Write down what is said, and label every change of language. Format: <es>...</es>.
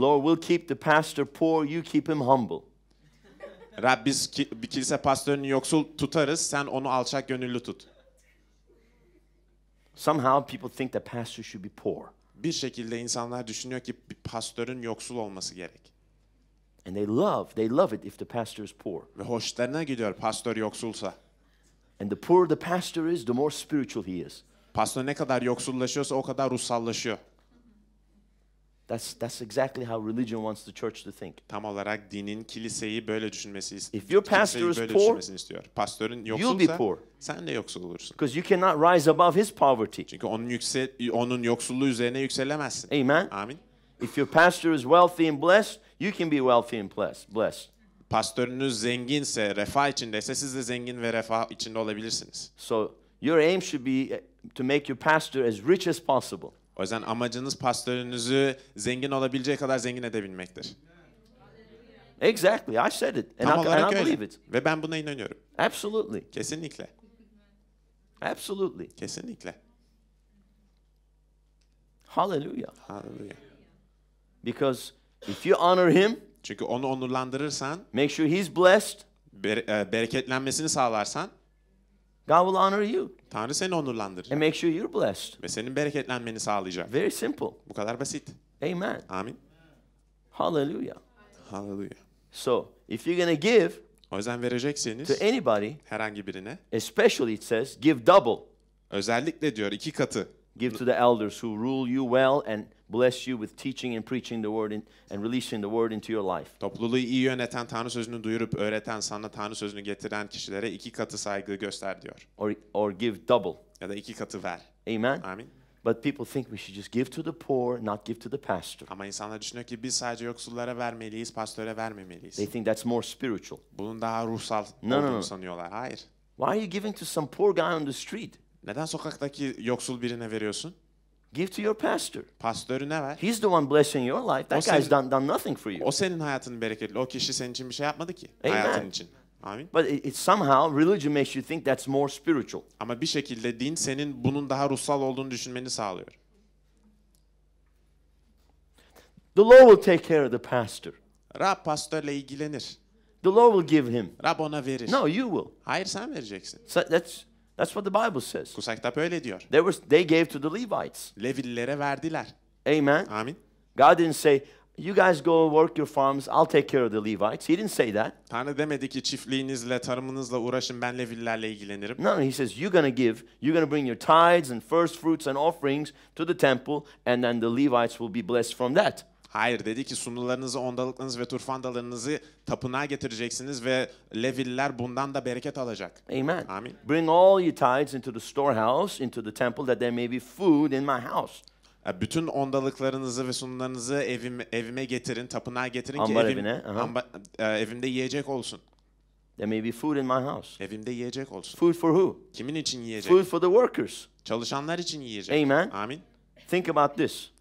<en>Lord, we'll keep the pastor poor, you keep him humble.</en> <tr>Rab, biz bir kilise pastörünü yoksul tutarız, sen onu alçak gönüllü tut.</tr> <en>Somehow people think the pastor should be poor.</en> <tr>Bir şekilde insanlar düşünüyor ki bir pastörün yoksul olması gerek.</tr> <en>And they love it if the pastor is poor.</en> <tr>Ve hoşlarına gidiyor pastör yoksulsa.</tr> <en>And the poorer the pastor is, the more spiritual he is.</en> <tr>Pastör ne kadar yoksullaşıyorsa o kadar ruhsallaşıyor.</tr> <en>That's exactly how religion wants the church to think.</en> <tr>Tam olarak dinin kiliseyi böyle düşünmesi istiyor.</tr> <en>If your pastor is poor,</en> <tr>istiyor. Pastörün yoksulsa sen de yoksul olursun.</tr> <en>Because you cannot rise above his poverty.</en> <tr>Çünkü onun yoksulluğu üzerine yükselemezsin.</tr> <en>Amen.</en> <tr>Amin.</tr> <en>If your pastor is wealthy and blessed, you can be wealthy and blessed.</en> <tr>Pastörünüz zenginse, refah içindeyse siz de zengin ve refah içinde olabilirsiniz.</tr> <en>So your aim should be to make your pastor as rich as possible.</en> <tr>O yüzden amacınız pastörünüzü zengin olabileceği kadar zengin edebilmektir.</tr> <en>Exactly, I said it and I believe it.</en> <tr>Ve ben buna inanıyorum.</tr> <en>Absolutely.</en> <tr>Kesinlikle.</tr> <en>Absolutely.</en> <tr>Kesinlikle.</tr> <en>Hallelujah. Hallelujah. Because if you honor him,</en> <tr>çünkü onu onurlandırırsan,</tr> <en>make sure he's blessed,</en> <tr>bereketlenmesini sağlarsan,</tr> <en>God will honor you.</en> <tr>Tanrı seni onurlandırır.</tr> <en>And make sure you're blessed.</en> <tr>Ve senin bereketlenmeni sağlayacak.</tr> <en>Very simple.</en> <tr>Bu kadar basit.</tr> <en>Amen.</en> <tr>Amin.</tr> <en>Hallelujah. Hallelujah. So, if you're going to give,</en> <tr>o yüzden vereceksiniz</tr> <en>to anybody,</en> <tr>herhangi birine,</tr> <en>especially it says, give double.</en> <tr>Özellikle diyor iki katı.</tr> <en>Give to the elders who rule you well and bless you with teaching and preaching the word and releasing the word into your life.</en> <tr>Topluluğu iyi yöneten, Tanrı sözünü duyurup öğreten, sana Tanrı sözünü getiren kişilere iki katı saygı göster diyor.</tr> <en>Or give double.</en> <tr>Ya da iki katı ver.</tr> <en>Amen.</en> <tr>Amin.</tr> <en>But people think we should just give to the poor, not give to the pastor.</en> <tr>Ama insanlar düşünüyor ki biz sadece yoksullara vermeliyiz, pastöre vermemeliyiz.</tr> <en>They think that's more spiritual.</en> <tr>Bunun daha ruhsal olduğunu sanıyorlar. Hayır.</tr> <en>Why are you giving to some poor guy on the street?</en> <tr>Neden sokaktaki yoksul birine veriyorsun?</tr> <en>Give to your pastor.</en> <tr>Pastörüne ver.</tr> <en>He's the one blessing your life. That guy's done nothing for you.</en> <tr>O senin hayatını bereketli. O kişi senin için bir şey yapmadı ki. Amen. Hayatın için. Amin.</tr> <en>But it somehow religion makes you think that's more spiritual.</en> <tr>Ama bir şekilde din senin bunun daha ruhsal olduğunu düşünmeni sağlıyor.</tr> <en>The Lord will take care of the pastor.</en> <tr>Rab pastörle ilgilenir.</tr> <en>The Lord will give him.</en> <tr>Rab ona verir.</tr> <en>No, you will.</en> <tr>Hayır, sen vereceksin.</tr> <en>So that's what the Bible says.</en> <tr>Kutsal kitap öyle diyor.</tr> <en>They gave to the Levites.</en> <tr>Levililere verdiler.</tr> <en>Amen.</en> <tr>Amin.</tr> <en>God didn't say, "You guys go work your farms. I'll take care of the Levites." He didn't say that.</en> <tr>Tanrı demedi ki çiftliğinizle, tarımınızla uğraşın, ben Levililerle ilgilenirim.</tr> <en>No, he says, "You're going to give. You're going to bring your tithes and first fruits and offerings to the temple, and then the Levites will be blessed from that."</en> <tr>Hayır, dedi ki sunumlarınızı, ondalıklarınızı ve turfandalarınızı tapınağa getireceksiniz ve Leviler bundan da bereket alacak.</tr> <en>Amen.</en> <tr>Amin.</tr> <en>Bring all your tithes into the storehouse, into the temple, that there may be food in my house.</en> <tr>Bütün ondalıklarınızı ve sunumlarınızı evime getirin, tapınağa getirin ambar ki evimde yiyecek olsun.</tr> <en>There may be food in my house.</en> <tr>Evimde yiyecek olsun.</tr> <en>Food for who?</en> <tr>Kimin için yiyecek?</tr> <en>Food for the workers.</en> <tr>Çalışanlar için yiyecek.</tr> <en>Amen.</en> <tr>Amin.</tr> <en>Think about this.</en>